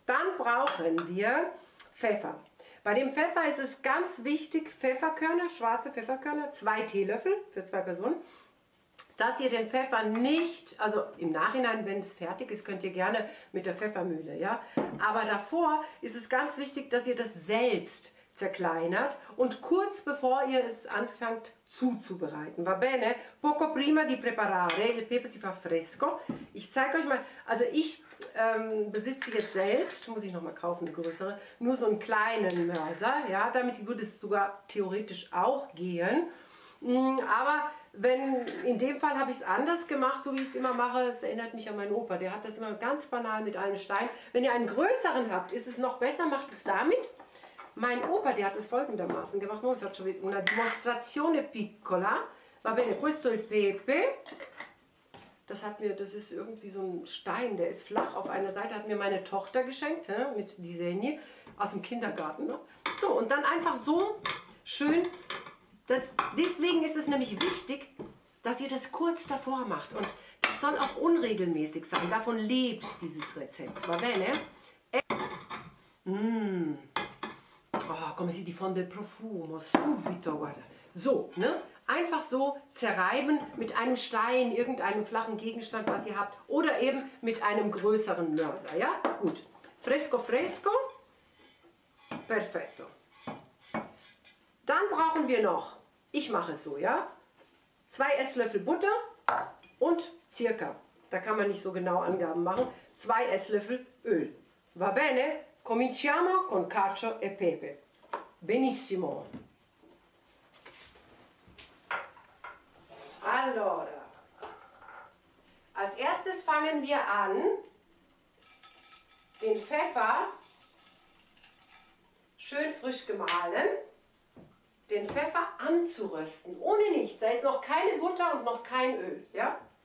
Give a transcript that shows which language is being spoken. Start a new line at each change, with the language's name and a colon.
German: Dann brauchen wir Pfeffer. Bei dem Pfeffer ist es ganz wichtig, Pfefferkörner, schwarze Pfefferkörner, zwei Teelöffel für zwei Personen, dass ihr den Pfeffer nicht, also im Nachhinein, wenn es fertig ist, könnt ihr gerne mit der Pfeffermühle, ja. Aber davor ist es ganz wichtig, dass ihr das selbst zerkleinert und kurz bevor ihr es anfangt zuzubereiten.
Italian: Va bene? Poco prima di preparare il pepe si fa fresco.
German: Ich zeige euch mal, also ich besitze jetzt selbst, muss ich nochmal kaufen, eine größere, nur so einen kleinen Mörser, ja, damit würde es sogar theoretisch auch gehen. Aber wenn, in dem Fall habe ich es anders gemacht, so wie ich es immer mache, es erinnert mich an meinen Opa, der hat das immer ganz banal mit einem Stein. Wenn ihr einen größeren habt, ist es noch besser, macht es damit. Mein Opa, der hat es folgendermaßen gemacht,
Italian: una dimostrazione piccola, va bene, questo il pepe,
German: das hat mir, das ist irgendwie so ein Stein, der ist flach auf einer Seite, hat mir meine Tochter geschenkt, mit Disegni, aus dem Kindergarten. So, und dann einfach so schön. Deswegen ist es nämlich wichtig, dass ihr das kurz davor macht. Und das soll auch unregelmäßig sein. Davon lebt dieses Rezept. Va bene?
Italian: Oh, come si diffonde il profumo. Subito, guarda. So, ne?
German: Einfach so zerreiben mit einem Stein, irgendeinem flachen Gegenstand, was ihr habt. Oder eben mit einem größeren Mörser, ja? Gut.
Italian: Fresco, fresco. Perfetto.
German: Dann brauchen wir noch, ich mache es so, ja, zwei Esslöffel Butter und circa, da kann man nicht so genau Angaben machen, zwei Esslöffel Öl. Va bene?
Italian: Cominciamo con cacio e pepe. Benissimo.
German: Allora, als erstes fangen wir an, den Pfeffer schön frisch gemahlen. Den Pfeffer anzurösten, ohne nichts. Da ist noch keine Butter und noch kein Öl, ja?